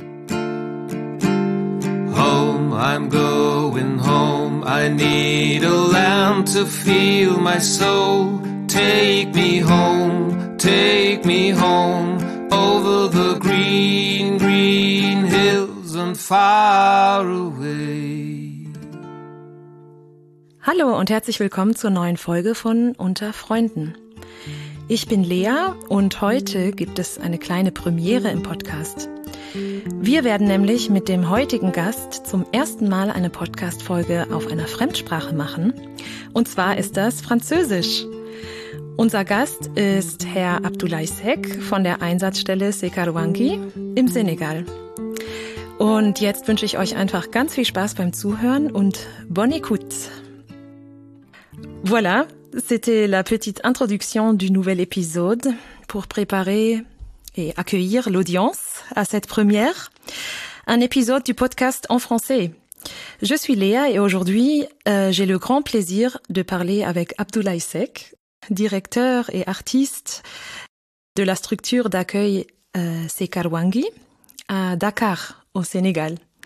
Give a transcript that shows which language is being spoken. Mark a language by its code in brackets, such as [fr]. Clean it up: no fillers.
[en] Home, I'm going home. I need a land to feel my soul. Take me home, take me home. Over the green, green hills and far away. [de] Hallo und herzlich willkommen zur neuen Folge von Unter Freunden. Ich bin Lea und heute gibt es eine kleine Premiere im Podcast. Wir werden nämlich mit dem heutigen Gast zum ersten Mal eine Podcast-Folge auf einer Fremdsprache machen. Und zwar ist das Französisch. Unser Gast ist Herr Abdoulaye Seck von der Einsatzstelle Sekarwangi im Senegal. Und jetzt wünsche ich euch einfach ganz viel Spaß beim Zuhören und [fr] bonne écoute. Voilà, c'était la petite introduction du nouvel épisode pour préparer et accueillir l'audience à cette première, un épisode du podcast en français. Je suis Léa et aujourd'hui, j'ai le grand plaisir de parler avec Abdoulaye Seck, directeur et artiste de la structure d'accueil Sekarwangi à Dakar, au Sénégal.